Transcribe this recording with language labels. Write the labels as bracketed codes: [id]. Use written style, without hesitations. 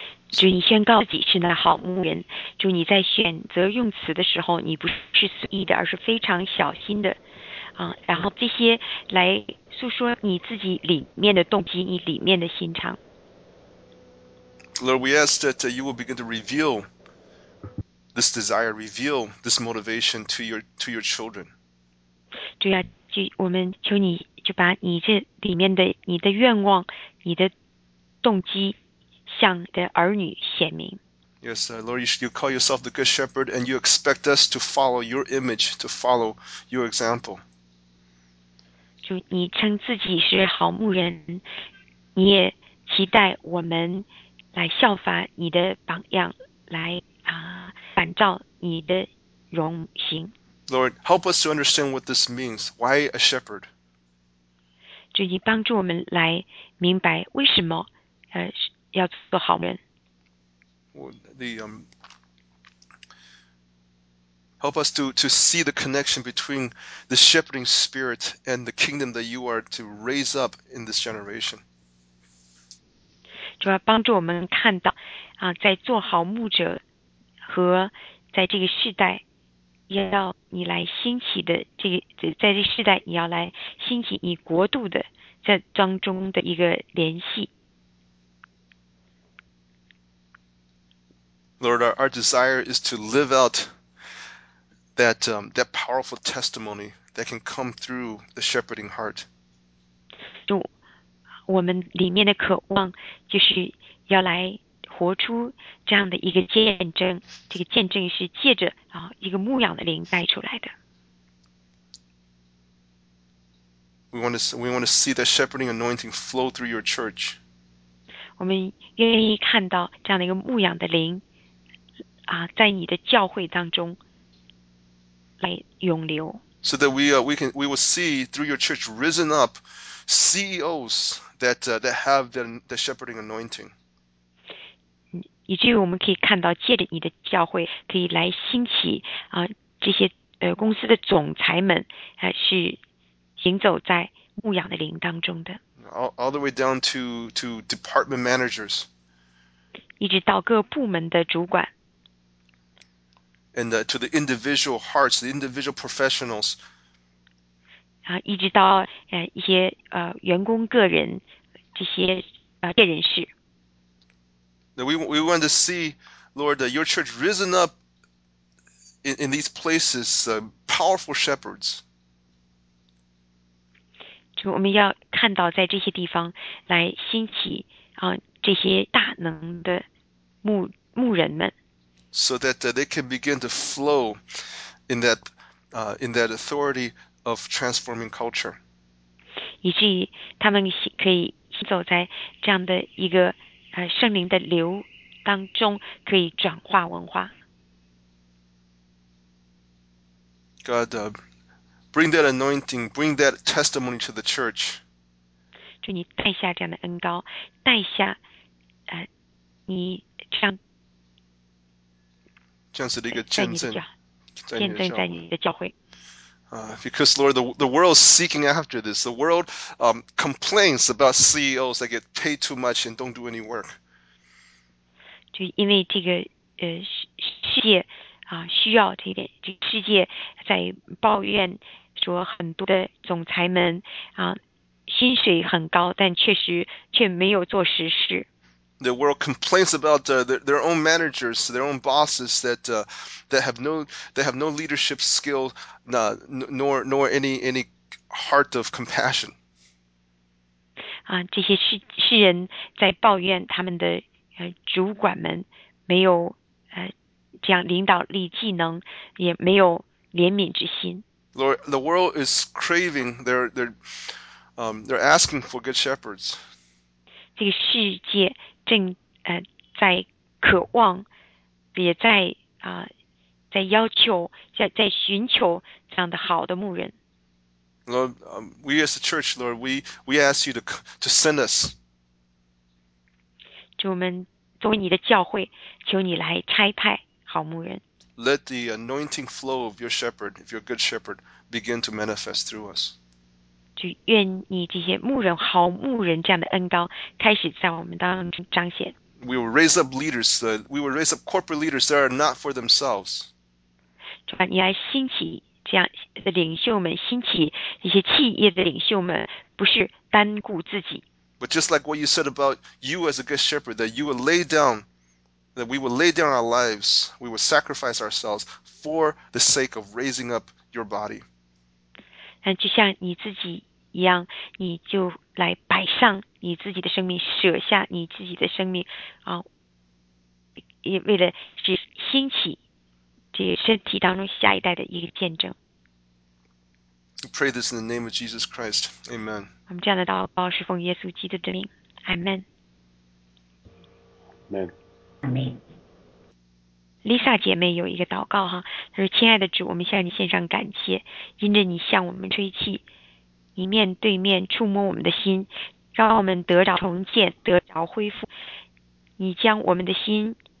[zh] 主，你宣告自己是那好牧人。主，你在选择用词的时候，你不是随意的，而是非常小心的。然后这些来诉说你自己里面的动机，你里面的心肠。 [en] Lord, we ask that you will begin to reveal this desire, reveal this motivation to your children. [zh] 主呀，就我们求你就把你这里面的你的愿望、你的动机向你的儿女显明。 [en] Yes, Lord, you call yourself the good shepherd, and you expect us to follow your image, to follow your example. [zh] 主，你称自己是好牧人，你也期待我们来效法你的榜样，来反照你的荣行。 [en] Lord, help us to understand what this means. Why a shepherd? [zh] 主，你帮助我们来明白为什么要做好人。 [en] Well, the Help us to see the connection between the shepherding spirit and the kingdom that you are to raise up in this generation. [zh] 主要帮助我们看到啊，在做好牧者和在这个世代要你来兴起的这个，在这个世代你要来兴起你国度的这当中的一个联系。 [en] Lord, our desire is to live out that powerful testimony that can come through the shepherding heart. [zh] 主，我们里面的渴望就是要来活出这样的一个见证，这个见证是借着一个牧养的灵带出来的。 [en] We want to see the shepherding anointing flow through your church. [zh] 我们愿意看到这样的一个牧养的灵在你的教会当中来涌流。 [en] So that we will see through your church risen up CEOs that have the shepherding anointing. [zh] 以至于我们可以看到借着你的教会可以来兴起这些公司的总裁们是行走在牧养的灵当中的。 [en] All the way down to department managers. [zh] 一直到各部门的主管。 [en] And to the individual hearts, the individual professionals. [zh] 一直到一些员工个人这些个人士。 [en] We want to see, Lord, your church risen up in these places, powerful shepherds. [zh] 就我们要看到在这些地方来兴起这些大能的牧人们。 [en] So that they can begin to flow in that authority of transforming culture. [zh] 以至于他们可以行走在这样的一个圣灵的流当中，可以转化文化。 [en] God, bring that anointing, bring that testimony to the church. [zh] 就你带下这样的恩膏，带下你这样。这样子的一个见证，见证在你的教会。 [en] Because Lord, the world is seeking after this. The world complains about CEOs that get paid too much and don't do any work. [zh] 就因为这个世界需要这一点，这个世界在抱怨说很多的总裁们薪水很高，但却没有做实事。 [en] The world complains about their own managers, their own bosses that have no leadership skill, nor any heart of compassion. [zh] 这些世人在抱怨他们的主管们没有这样领导力技能，也没有怜悯之心。 [en] Lord, the world is craving. They're asking for good shepherds. [zh] 这个世界。正在渴望，也在要求，在寻求这样的好的牧人。 [en] Lord, we as the church, Lord, we ask you to send us. [zh] 就我们作为你的教会，求你来差派好牧人。 [en] Let the anointing flow of your shepherd, if you're a good shepherd, begin to manifest through us. [zh] 就愿你这些牧人好牧人这样的恩膏开始在我们当中彰显。 [en] We will raise up leaders, we will raise up corporate leaders that are not for themselves. [zh] 主啊，你来兴起这样的领袖们，兴起一些企业的领袖们，不是单顾自己。 [en] But just like what you said about you as a good shepherd, that you will lay down, that we will lay down our lives, we will sacrifice ourselves for the sake of raising up your body. [zh] 就像你自己一样，你就来摆上你自己的生命，舍下你自己的生命也为了去兴起这身体当中下一代的一个见证。 [en] We pray this in the name of Jesus Christ. Amen. [zh] 我们这样的祷告是奉耶稣基督的名。 [en] Amen. Amen. Amen. [zh] Lisa 姐妹有一个祷告哈，她说：“亲爱的主，我们向你献上感谢，因着你向我们吹气，一面对面触摸我们的心，让我们得着重建，得着恢复。你将我们的心